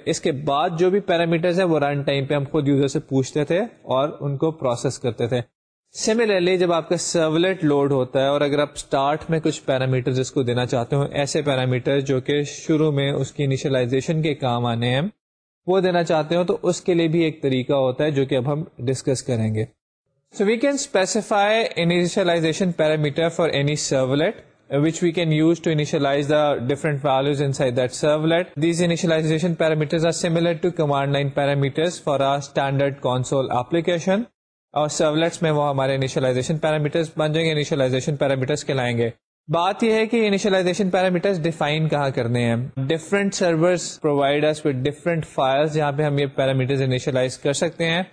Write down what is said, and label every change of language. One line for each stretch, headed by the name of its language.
Urdu: اس کے بعد جو بھی پیرامیٹرز ہیں وہ رن ٹائم پہ ہم خود یوزر سے پوچھتے تھے اور ان کو پروسیس کرتے تھے. سملرلی جب آپ کا سرولیٹ لوڈ ہوتا ہے اور اگر آپ اسٹارٹ میں کچھ پیرامیٹرز اس کو دینا چاہتے ہوں, ایسے پیرامیٹر جو کہ شروع میں اس کی انیشلائزیشن کے کام آنے ہیں وہ دینا چاہتے ہوں, تو اس کے لیے بھی ایک طریقہ ہوتا ہے جو کہ اب ہم ڈسکس کریں گے.
English: So we can specify initialisation parameter for any servlet which we can use to initialise the different values inside that servlet. These initialisation parameters are similar to command line parameters for a standard console application,
Urdu: اور سرولیٹس میں وہ ہمارے initialisation parameters بن جائیں گے, initialisation parameters کہلائیں گے. بات یہ ہے کہ انیشلائزیشن پیرامیٹرز ڈیفائن کہاں کرنے ہیں.
English: different servers provide us with different files
Urdu: جہاں پہ ہم یہ پیرامیٹرز انیشلائز کر سکتے ہیں.